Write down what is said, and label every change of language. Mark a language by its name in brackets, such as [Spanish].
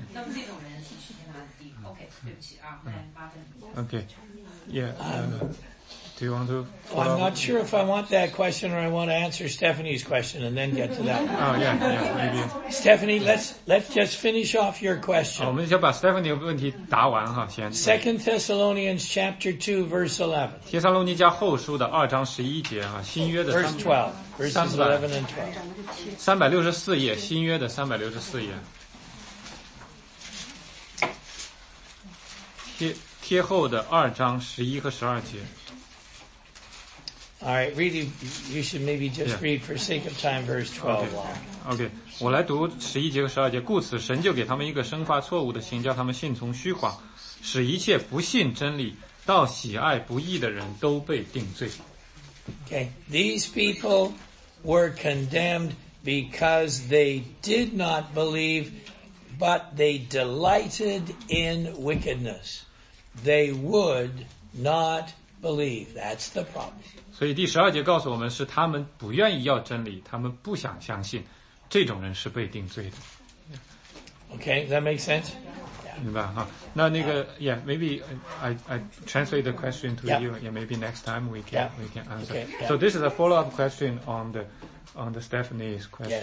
[Chinese] 那么这种人是去天堂地？OK， 对不起啊，麻烦你。 [English] OK， yeah。 Do you want to? I'm not sure if I want that question or I want to answer Stephanie's question and then get to that. Oh, yeah, maybe. Stephanie, let's just finish off your question. [Chinese] 我们就把 Stephanie 的问题答完哈，先。 [English] Second Thessalonians chapter 2 verse 11. [Chinese] 帖撒罗尼迦后书的二章十一节哈，新约的 [English] verse 12, verses 11 and 12. [Chinese] 364页，新约的364页。帖后的二章十一和十二节。 [English] All right, really, you should maybe just read for sake of time verse 12. [Chinese] Okay, 我来读十一节和十二节。故此，神就给他们一个生发错误的心，叫他们信从虚谎，使一切不信真理、到喜爱不义的人都被定罪。 [English] Okay, these people were condemned because they did not believe, but they delighted in wickedness. They would not believe. That's the problem. [Chinese] 所以第十二节告诉我们，是他们不愿意要真理，他们不想相信，这种人是被定罪的。 [English] Okay, that makes sense. [Chinese] 明白哈？那那个 [English] ，Yeah, maybe I translate the question to you. Yeah, maybe next time we can answer. Okay, yeah. So this is a follow-up question on the Stephanie's question.